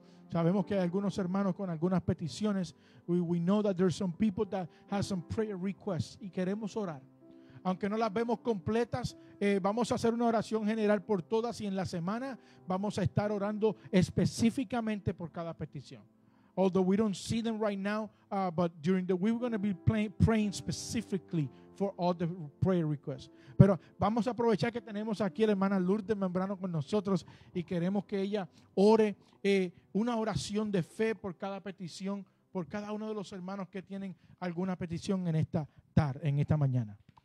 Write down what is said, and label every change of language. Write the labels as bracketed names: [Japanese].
[Spanish] Sabemos que hay algunos hermanos con algunas peticiones. [English] We know that there are some people that have some prayer requests. [Spanish] Y queremos orar. Aunque no las vemos completas, vamos a hacer una oración general por todas. Y en la semana vamos a estar orando específicamente por cada petición. [English] Although we don't see them right now, but during the week we're going to be praying specifically for all the prayer requests. [Spanish] Pero vamos a aprovechar que tenemos aquí a la hermana Lourdes Membrano con nosotros y queremos que ella ore una oración de fe por cada petición, por cada uno de los hermanos que tienen alguna petición en esta tarde, en esta mañana.